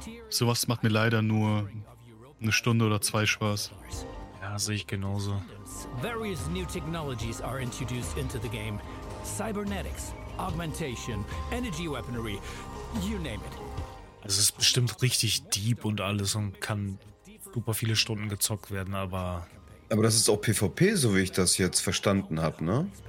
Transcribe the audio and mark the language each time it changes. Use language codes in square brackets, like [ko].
[de] Sowas macht mir leider nur eine Stunde oder zwei Spaß. Ja, sehe ich genauso. [en] Various new technologies are introduced into the game. Cybernetics, augmentation, energy weaponry, you name it. [de] Es ist bestimmt richtig deep und alles und kann super viele Stunden gezockt werden, aber Aber das ist auch PvP, so wie ich das jetzt verstanden habe, ne?